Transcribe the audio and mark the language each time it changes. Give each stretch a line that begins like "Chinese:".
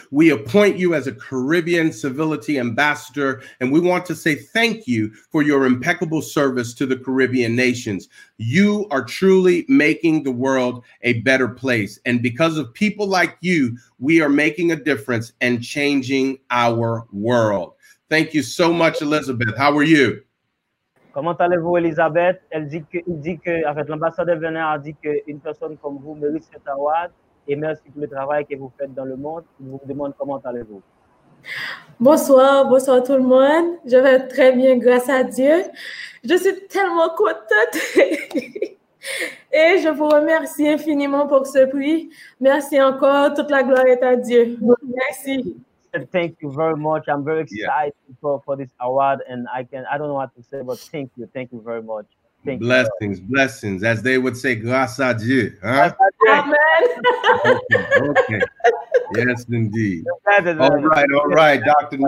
English: We appoint you as a Caribbean Civility Ambassador, and we want to say thank you for your impeccable service to the Caribbean nations. You are truly making the world a better place. And because of people like you, we are making a difference and changing our world. Thank you so much, Elizabeth. How are you?
French: Comment allez-vous, Elizabeth? Elle dit que, en fait, l'ambassadeur Venin a dit qu'une personne comme vous mérite cet award. Et merci pour le travail que vous faites dans le monde. Il vous demande comment allez-vous. Bonsoir, bonsoir tout le monde. Je vais très bien, grâce à Dieu. Je suis tellement contente. Et je vous remercie infiniment pour ce prix. Merci encore. Toute la gloire est à Dieu. Merci.
English: Thank you very much. I'm very excited for this award, and I don't know what to say, but thank you. Thank you very much. Thank blessings, you. Blessings. As they would say,
French: grâce à Dieu.
English: Huh? Amen. Okay. Yes, indeed. All right. Dr.